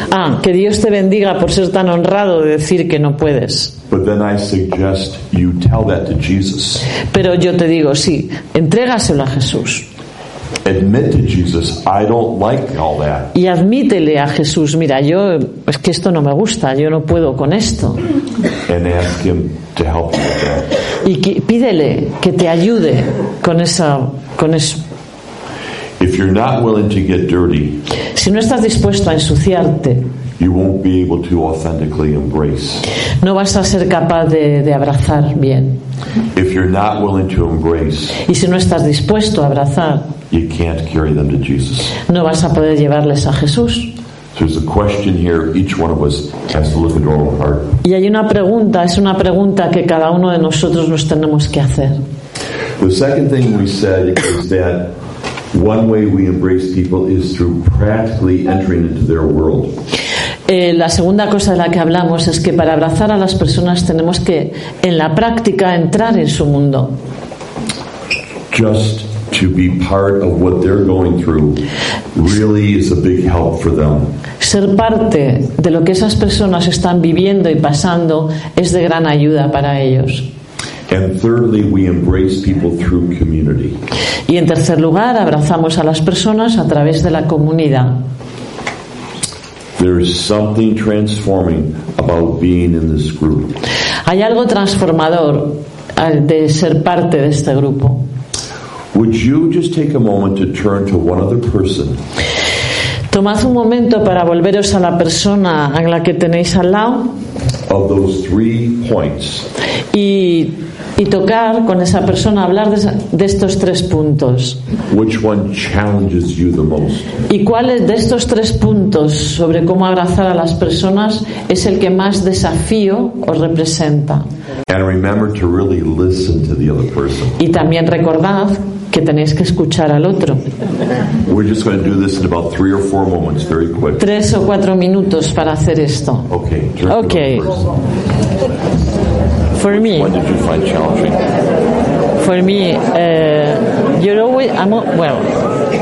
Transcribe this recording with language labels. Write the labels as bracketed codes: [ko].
[es] Ah, que Dios te bendiga por ser tan honrado de decir que no puedes. [en] But then I suggest you tell that to Jesus. [es] Pero yo te digo, sí, entrégaselo a Jesús. [en] Admit to Jesus, I don't like all that. [es] Y admítele a Jesús, mira, yo es que esto no me gusta, yo no puedo con esto. [en] And ask him to help you with that. [es] Y pídele que te ayude con esa, con eso. [en] If you're not willing to get dirty, [es] si no estás dispuesto a ensuciarte, [en] you won't be able to authentically embrace. [es] No vas a ser capaz de abrazar bien. [en] If you're not willing to embrace, [es] y si no estás dispuesto a abrazar, [en] you can't carry them to Jesus. [es] No vas a poder llevarles a Jesús. [en] There's a question here. Each one of us has to look into our own heart. [es] Y hay una pregunta. Es una pregunta que cada uno de nosotros nos tenemos que hacer. [en] The second thing we said is that one way we embrace people is through practically entering into their world. [es] La segunda cosa de la que hablamos es que para abrazar a las personas tenemos que, en la práctica, entrar en su mundo. [en] Just to be part of what they're going through really is a big help for them. [es] Ser parte de lo que esas personas están viviendo y pasando es de gran ayuda para ellos. [en] And thirdly, we embrace people through community. [es] Y en tercer lugar, abrazamos a las personas a través de la comunidad. [en] There is something transforming about being in this group. [es] Hay algo transformador de ser parte de este grupo. [en] Would you just take a moment to turn to one other person? [es] Tomad un momento para volveros a la persona a la que tenéis al lado. [en] Of those three points. [es] Y tocar con esa persona, hablar de estos tres puntos. [en] Which one challenges you the most? [es] ¿Y cuál es de estos tres puntos sobre cómo abrazar a las personas es el que más desafío os representa? [en] And remember to really listen to the other person. [es] Y también recordad que tenéis que escuchar al otro. [en] We're just going to do this in about 3 or 4 moments, very quick. [es] 3 o 4 minutos para hacer esto. [en] Okay. Turn okay. For Which me. Which one did you find challenging? For me, you're always. I'm well.